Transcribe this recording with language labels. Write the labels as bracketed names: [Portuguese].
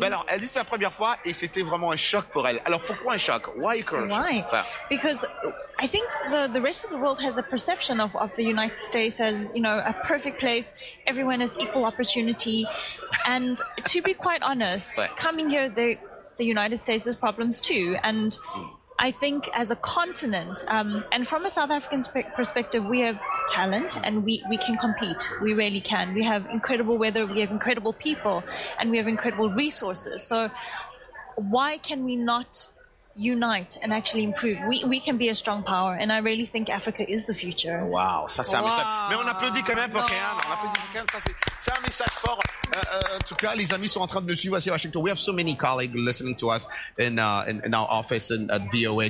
[French] Ben alors, elle dit c'est la première fois et c'était vraiment un choc pour elle. Alors pourquoi un choc? [English] Why a culture shock? Why? Because I think the rest of the world has a perception of the United States as, you know, a perfect place. Everyone has equal opportunity. And to be quite honest, ouais. Coming here, the United States has problems too. And I think as a continent, and from a South African perspective, we have talent and we can compete. We really can. We have incredible weather, we have incredible people, and we have incredible resources. So why can we not unite and actually improve? We can be a strong power, and I really think Africa is the future. [French] Wow, ça c'est un message. Mais on applaudit quand même pour Kayane. On applaudit pour Kayane. C'est un message fort. En tout cas, les amis sont en train de nous suivre à Washington. [English] We have so many colleagues listening to us in our office and at VOA.